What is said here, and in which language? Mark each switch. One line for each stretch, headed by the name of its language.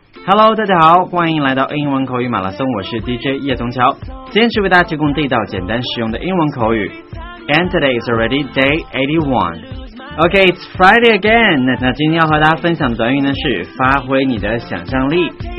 Chinese: Hello, 大家好，欢迎来到英文口语马拉松。我是 DJ 叶宗桥，坚持为大家提供地道、简单、实用的英文口语。
English: And today is already day 81. Okay, it's Friday again.
Chinese: 那今天要和大家分享的短语呢是发挥你的想象力。